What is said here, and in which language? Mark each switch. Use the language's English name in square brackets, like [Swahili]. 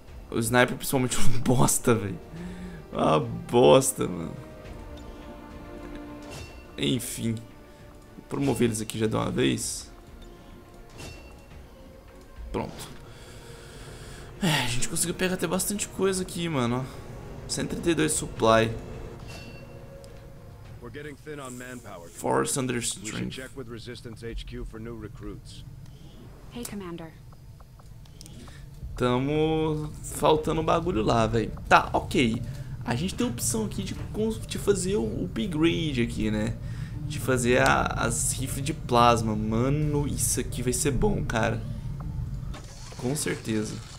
[Portuguese] O sniper, principalmente, uma bosta, velho. Uma bosta, mano. Enfim, vou promover eles aqui já de uma vez. Pronto. É, a gente conseguiu pegar até bastante coisa aqui, mano. 132 supply. [English] We're getting thin on manpower. Force under strength. We should check with Resistance HQ for new recruits. Hey, Commander. [Portuguese] Tamo faltando um bagulho lá, velho. Tá, ok. A gente tem a opção aqui de fazer o upgrade aqui, né? De fazer as rifles de plasma. Mano, isso aqui vai ser bom, cara. Com certeza.